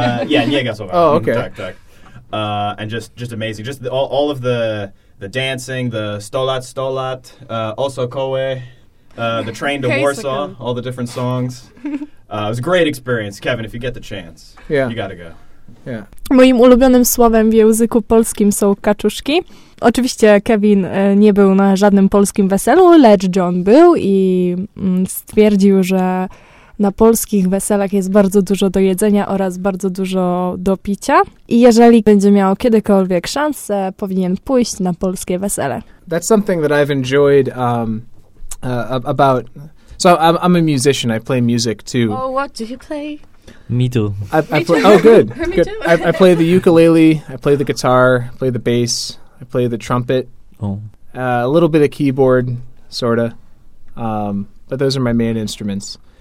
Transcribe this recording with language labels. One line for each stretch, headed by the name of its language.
English: Yeah, Niegasowana. Oh, okay. And just amazing. Just all of the dancing, the stolat, oso koe, the train to Warsaw, all the different songs. It was a great experience, Kevin. If you get the chance, you gotta go. Yeah.
Polish: Moim ulubionym słowem w języku polskim są kaczuszki. Oczywiście Kevin nie był na żadnym polskim weselu, lecz John był i stwierdził, że na polskich weselach jest bardzo dużo do jedzenia oraz bardzo dużo do picia. I jeżeli będzie miał kiedykolwiek szansę, powinien pójść na polskie wesele.
English: That's something that I've enjoyed about... So I'm a musician, I play music too. Oh, what do you play? Me too. Good. I play the ukulele, I play the guitar, I play the bass, I play the trumpet. A little bit of keyboard, sorta. But those are my main instruments.